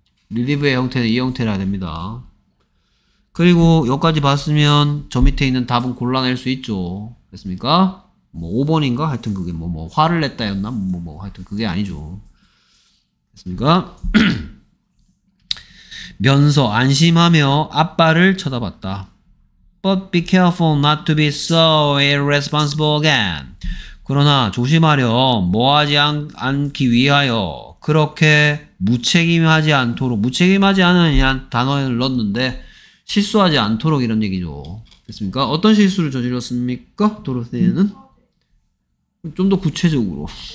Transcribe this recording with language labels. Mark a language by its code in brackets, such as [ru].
[ko] 릴리브의 형태는 이 형태라 해야 됩니다. 그리고 여기까지 봤으면 저 밑에 있는 답은 골라낼 수 있죠. 됐습니까? 뭐 5번인가? 하여튼 그게 뭐 화를 냈다였나? 뭐 하여튼 그게 아니죠. 됐습니까? 면서 안심하며 아빠를 쳐다봤다. [en] But be careful not to be so irresponsible again. [ko] 그러나 조심하렴. 뭐하지 않기 위하여 그렇게 무책임하지 않도록. 무책임하지 않은 이란 단어를 넣었는데 실수하지 않도록 이런 얘기죠. 됐습니까? 어떤 실수를 저질렀습니까? 도로세는? 좀 더 구체적으로.